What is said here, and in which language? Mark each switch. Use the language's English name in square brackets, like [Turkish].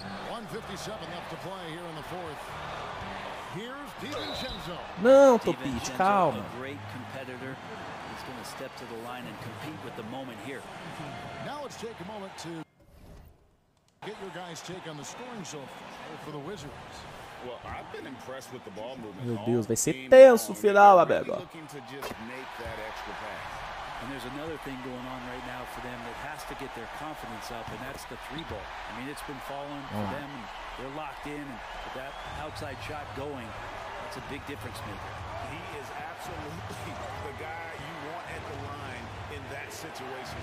[English] 1:57 left to play here in the fourth. Here's DiVincenzo. [Portuguese] Não, Topic, calma. [English] Great competitor. He's going to step to the line and compete with the moment here. Now let's take a moment to get your guys' take on the scoring so far for the Wizards. Well, I've been impressed with the ball movement. [Portuguese] Meu Deus, vai ser tenso o final, Abego. [English] And there's another thing going on right now for them that has to get their confidence up, and that's the three ball. I mean, it's been falling for them, and they're locked in, and with that outside shot going, that's a big difference maker. He is absolutely the guy you want at the line in that situation.